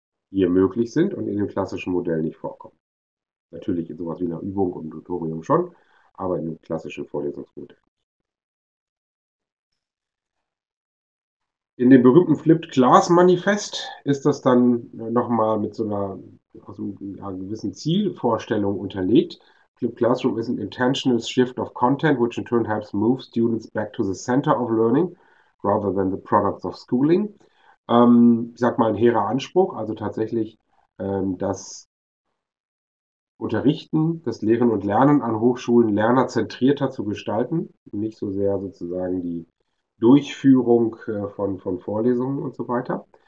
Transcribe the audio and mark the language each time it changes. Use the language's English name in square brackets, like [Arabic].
[German] hier möglich sind und in dem klassischen Modell nicht vorkommen. Natürlich in sowas wie einer Übung und Tutorium schon, aber in dem klassischen Vorlesungsmodell. In dem berühmten Flipped Class Manifest ist das dann nochmal mit aus einer gewissen Zielvorstellung unterlegt. [English] Flipped Classroom is an intentional shift of content, which in turn helps move students back to the center of learning, rather than the products of schooling. [German] Ich sag mal, ein hehrer Anspruch, also tatsächlich das Unterrichten, das Lehren und Lernen an Hochschulen lernerzentrierter zu gestalten, nicht so sehr sozusagen die Durchführung von Vorlesungen und so weiter.